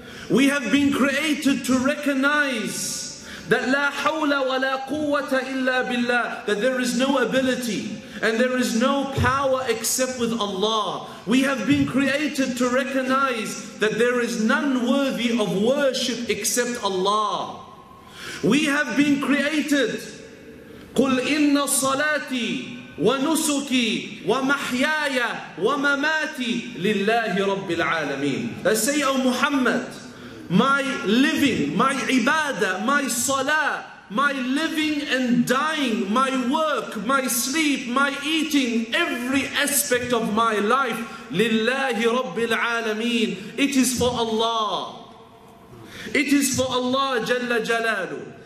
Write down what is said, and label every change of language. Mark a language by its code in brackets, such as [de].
[en] We have been created to recognize that [ar] la hawla wa la quwwata illa billah, [en] that there is no ability and there is no power except with Allah. We have been created to recognize that there is none worthy of worship except Allah. We have been created, [ar] قُلْ إِنَّ صَلَاتِي وَنُسُكِي وَمَحْيَايَ وَمَمَاتِي لِلَّهِ رَبِّ الْعَالَمِينَ. [en] I say, O Muhammad, my living, my ibadah, my salah, my living and dying, my work, my sleep, my eating, every aspect of my life, [ar] لِلَّهِ رَبِّ الْعَالَمِينَ. [en] It is for Allah. It is for Allah [ar] جَلَّ جَلَالُهُ.